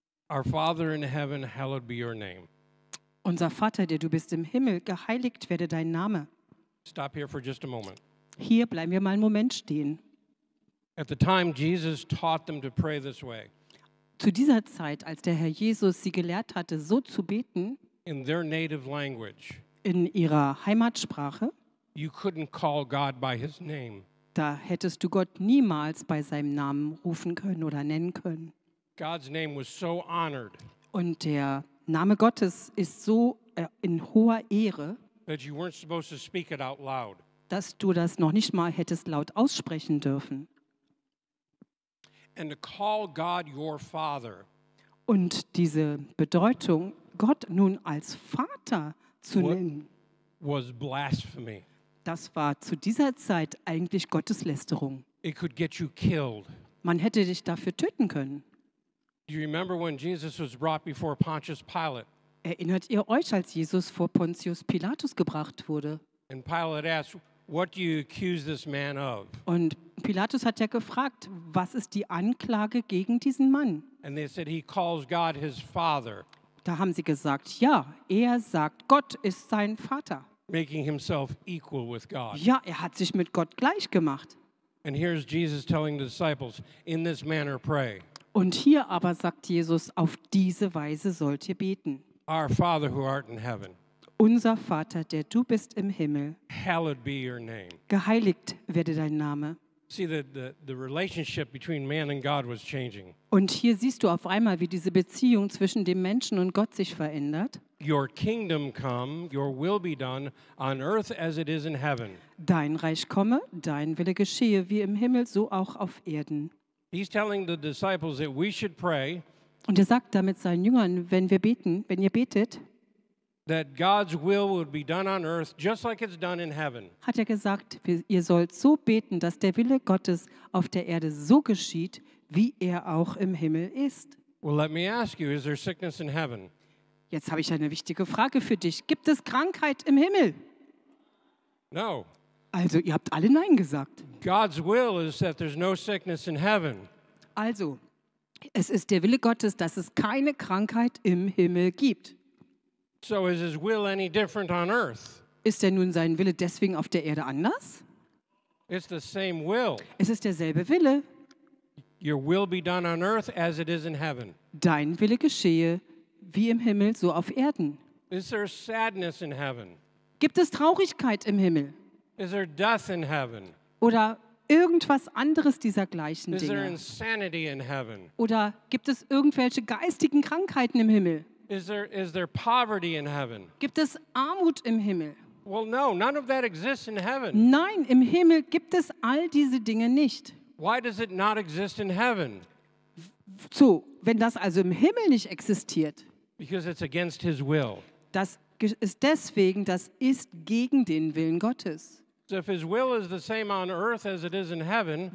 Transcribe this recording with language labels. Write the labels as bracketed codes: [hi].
[en] Our Father in heaven, hallowed be your name. [de] Unser Vater, der du bist im Himmel, geheiligt werde dein Name. [en] Stop here for just a moment. [de] Hier bleiben wir mal einen Moment stehen. [en] At the time Jesus taught them to pray this way. [de] Zu dieser Zeit, als der Herr Jesus sie gelehrt hatte, so zu beten. [en] In their native language. [de] In ihrer Heimatsprache. [en] You couldn't call God by his name. [de] Da hättest du Gott niemals bei seinem Namen rufen können oder nennen können. [en] God's name was so honored. [de] Und der Name Gottes ist so in hoher Ehre. [en] That you weren't supposed to speak it out loud. [de] Dass du das noch nicht mal hättest laut aussprechen dürfen. [en] And to call God your father. [de] Und diese Bedeutung, Gott nun als Vater zu nennen, [en] was blasphemy. [de] Das war zu dieser Zeit eigentlich Gotteslästerung. [en] It could get you killed. [de] Man hätte dich dafür töten können. [en] Do you remember when Jesus was brought before Pontius Pilate? [de] Erinnert ihr euch, als Jesus vor Pontius Pilatus gebracht wurde? [en] And Pilate asked, "What do you accuse this man of?" [de] Und Pilatus hat ja gefragt, was ist die Anklage gegen diesen Mann? [en] And they said, "He calls God his father." [de] Da haben sie gesagt, ja, er sagt, Gott ist sein Vater. [en] Making himself equal with God. [de] Ja, er hat sich mit Gott gleich gemacht. [en] And here's Jesus telling the disciples, "In this manner pray." [de] Und hier aber sagt Jesus, auf diese Weise sollt ihr beten. [en] Our Father who art in heaven. [de] Unser Vater, der du bist im Himmel. [en] Hallowed be your name. [de] Geheiligt werde dein Name. [en] See the relationship between man and God was changing. [de] Und hier siehst du auf einmal, wie diese Beziehung zwischen dem Menschen und Gott sich verändert. [en] Your kingdom come, your will be done on earth as it is in heaven. [de] Dein Reich komme, dein Wille geschehe wie im Himmel so auch auf Erden. [en] He's telling the disciples that we should pray. [de] Und er sagt damit seinen Jüngern, wenn wir beten, wenn ihr betet, [en] that God's will would be done on earth just like it's done in heaven. [de] Hat er gesagt, ihr sollt so beten, dass der Wille Gottes auf der Erde so geschieht, wie er auch im Himmel ist. [en] Well, let me ask you, is there sickness in heaven? [de] Jetzt habe ich eine wichtige Frage für dich. Gibt es Krankheit im Himmel? [en] No. [de] Also, ihr habt alle Nein gesagt. [en] God's will is that there's no sickness in heaven. [de] Also, es ist der Wille Gottes, dass es keine Krankheit im Himmel gibt. [en] So is his will any different on earth? [de] Ist denn nun sein Wille deswegen auf der Erde anders? [en] It's the same will. [de] Es ist derselbe Wille. [en] Your will be done on earth as it is in heaven. [de] Dein Wille geschehe wie im Himmel so auf Erden. [en] Is there sadness in heaven? [de] Gibt es Traurigkeit im Himmel? [en] Is there death in heaven? [de] Oder irgendwas anderes dieser gleichen Dinge? [en] Is there insanity in heaven? [de] Oder gibt es irgendwelche geistigen Krankheiten im Himmel? [en] Is there poverty in heaven? [de] Gibt es Armut im Himmel? [en] Well, no, none of that exists in heaven. [de] Nein, im Himmel gibt es all diese Dinge nicht. [en] Why does it not exist in heaven? [de] So, wenn das also im Himmel nicht existiert. [en] Because it's against his will. [de] Das ist deswegen, das ist gegen den Willen Gottes. [en] So if his will is the same on earth as it is in heaven.